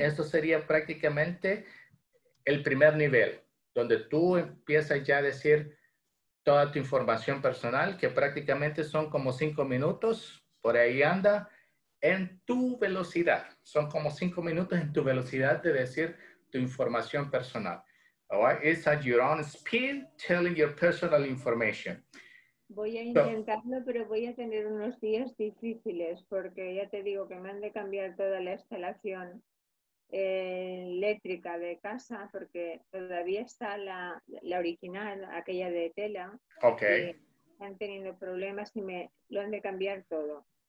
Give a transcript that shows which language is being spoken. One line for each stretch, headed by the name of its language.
Spanish: Eso sería prácticamente el primer nivel, donde tú empiezas ya a decir toda tu información personal, que prácticamente son como 5 minutos, por ahí anda, en tu velocidad. Son como 5 minutos en tu velocidad de decir tu información personal.
English: All right? It's at your own speed, telling your personal information.
Spanish: Voy a intentarlo, pero voy a tener unos días difíciles, porque ya te digo que me han de cambiar toda la instalación eléctrica de casa, porque todavía está la original, aquella de tela. Ok. Están teniendo problemas y me lo han de cambiar todo.